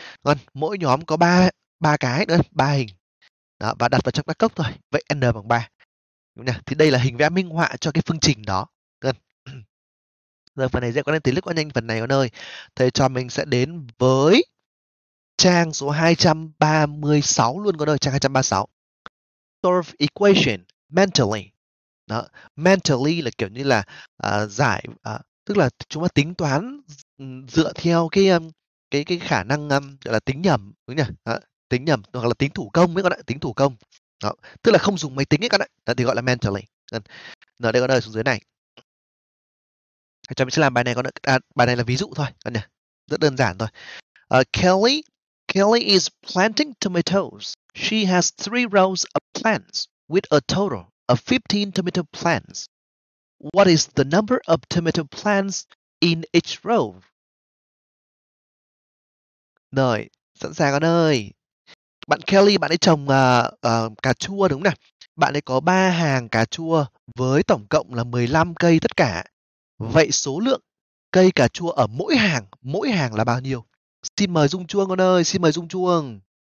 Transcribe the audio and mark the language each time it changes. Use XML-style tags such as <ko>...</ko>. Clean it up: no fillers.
<vi>Còn mỗi nhóm có 3 ba cái nữa, 3 hình. Đó, và đặt vào trong các cốc thôi. Vậy n bằng 3. Đúng nhỉ? Thì đây là hình vẽ minh họa cho cái phương trình đó. Rồi phần này dễ quá nên tính lực quá nhanh phần này con ơi. Thầy cho mình sẽ đến với trang số 236 luôn con ơi, trang 236.</vi> <en>Solve equation mentally.</en> <vi>Đó, mentally là kiểu như là giải tức là chúng ta tính toán dựa theo cái khả năng gọi là tính nhẩm đúng nhỉ? Đó, tính nhẩm hoặc là tính thủ công ấy con ạ, tính thủ công. Đó, tức là không dùng máy tính ấy con ạ. Đó thì gọi là mentally. Đó, đây con ơi, xuống dưới này. Thầy cho mình sẽ làm bài này con ạ. À, bài này là ví dụ thôi con nhỉ. Rất đơn giản thôi.</vi> <en>Kelly is planting tomatoes. She has 3 rows of plants with a total of 15 tomato plants. What is the number of tomato plants in each row?</en> <vi>Rồi, sẵn sàng con ơi. Bạn Kelly, bạn ấy trồng cà chua đúng không nào? Bạn ấy có 3 hàng cà chua với tổng cộng là 15 cây tất cả. Vậy số lượng cây cà chua ở mỗi hàng là bao nhiêu? Xin mời rung chuông con ơi, xin mời rung chuông.</vi>